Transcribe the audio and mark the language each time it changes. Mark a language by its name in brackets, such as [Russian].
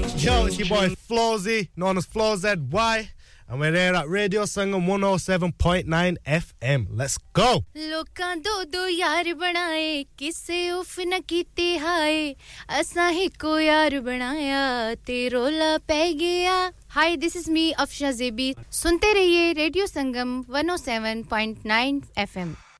[English] Yo, it's your boy Flozy, known as FlozZY. And we're here at Radio Sangam 107.9 FM. Let's go. [Punjabi] ਲੋਕਾਂ ਦੋ ਦੋ ਯਾਰ ਬਣਾਏ ਕਿਸੇ ਉਫ ਨਾ ਕੀਤੀ ਹਾਏ ਅਸਾਂ ਹੀ ਕੋ ਯਾਰ ਬਣਾਇਆ ਤੇ ਰੋਲਾ ਪੈ ਗਿਆ. [English] Hi, this is me Afsha Zebi. [Punjabi] ਸੁਣਤੇ ਰਹੀਏ [English] Radio Sangam 107.9 FM.